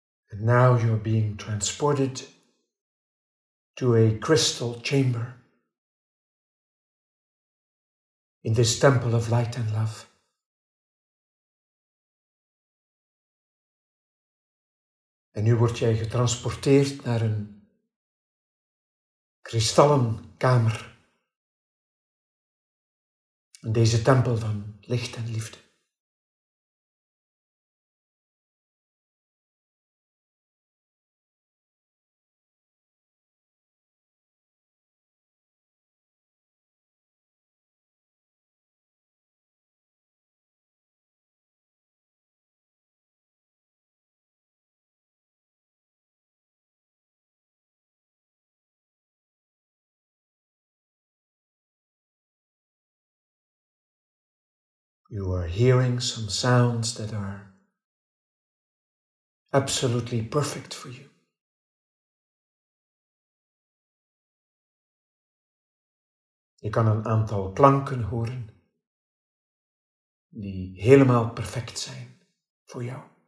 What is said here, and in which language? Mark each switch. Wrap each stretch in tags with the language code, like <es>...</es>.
<en>And now you're being transported to a crystal chamber in this temple of light and love.</en> <nl>En nu word jij getransporteerd naar een kristallen kamer. In deze tempel van licht en liefde.</nl> <en>You are hearing some sounds that are absolutely perfect for you.</en> <nl>Je kan een aantal klanken horen die helemaal perfect zijn voor jou.</nl>